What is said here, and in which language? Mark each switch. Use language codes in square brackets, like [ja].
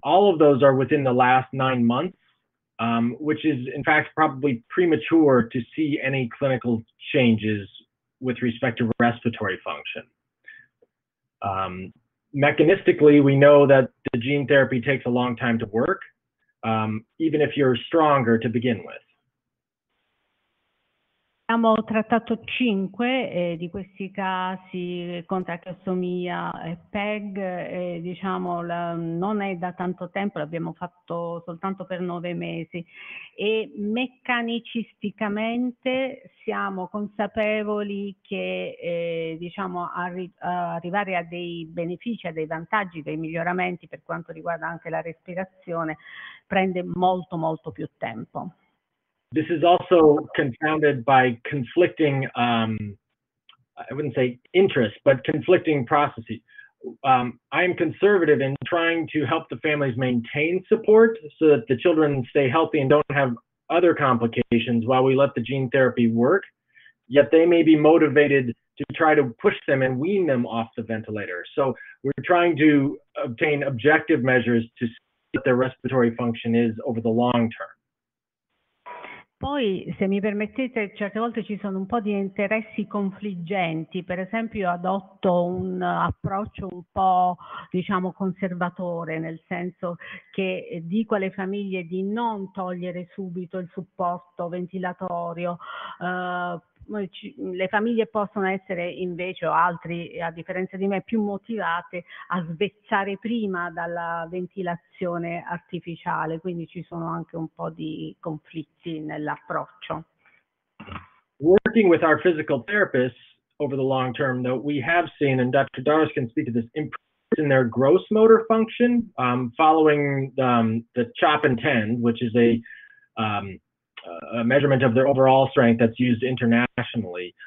[en] All of those are within the last 9 months, which is in fact probably premature to see any clinical changes with respect to respiratory function. Mechanistically, we know that the gene therapy takes a long time to work, even if you're stronger to begin with. [it] Abbiamo trattato 5 di questi casi con tracheostomia e PEG, diciamo non è da tanto tempo, l'abbiamo fatto soltanto per 9 mesi e meccanicisticamente siamo consapevoli che diciamo arrivare a dei benefici, a dei vantaggi, dei miglioramenti per quanto riguarda anche la respirazione prende molto molto più tempo. [en] This is also confounded by conflicting, I wouldn't say interests, but conflicting processes. I am conservative in trying to help the families maintain support so that the children stay healthy and don't have other complications while we let the gene therapy work. Yet they may be motivated to try to push them and wean them off the ventilator. So we're trying to obtain objective measures to see what their respiratory function is over the long term. [it] Poi, se mi permettete, certe volte ci sono un po' di interessi confliggenti, per esempio io adotto un approccio un po', diciamo, conservatore, nel senso che dico alle famiglie di non togliere subito il supporto ventilatorio, le famiglie possono essere invece, o altri, a differenza di me, più motivate a svezzare prima dalla ventilazione artificiale, quindi ci sono anche un po' di conflitti nell'approccio. [en] Working with our physical therapists over the long term, though, we have seen, and Dr. Darris can speak to this, improvements in their gross motor function following the CHOP and TEND, which is a measurement of their overall strength that's used internationally.